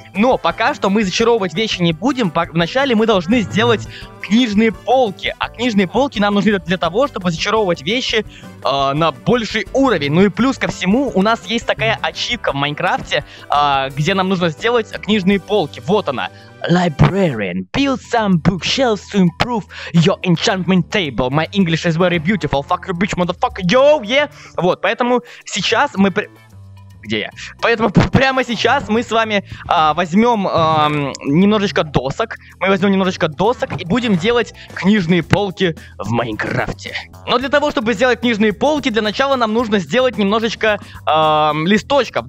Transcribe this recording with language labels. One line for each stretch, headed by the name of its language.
Russian: Но пока что мы зачаровывать вещи не будем. Вначале мы должны сделать книжные полки. А книжные полки нам нужны для того, чтобы зачаровывать вещи на больший уровень. Ну и плюс ко всему, у нас есть такая ачивка в Майнкрафте, где нам нужно сделать книжные полки. Вот она.
English: Librarian, build some bookshelves to improve your enchantment table. My English is very beautiful. Fuck your bitch, motherfucker. Yo, yeah.
Russian: Вот, поэтому сейчас мы... Где я? Поэтому прямо сейчас мы с вами возьмем немножечко досок. Мы возьмем немножечко досок и будем делать книжные полки в Майнкрафте. Но для того, чтобы сделать книжные полки, для начала нам нужно сделать немножечко листочков.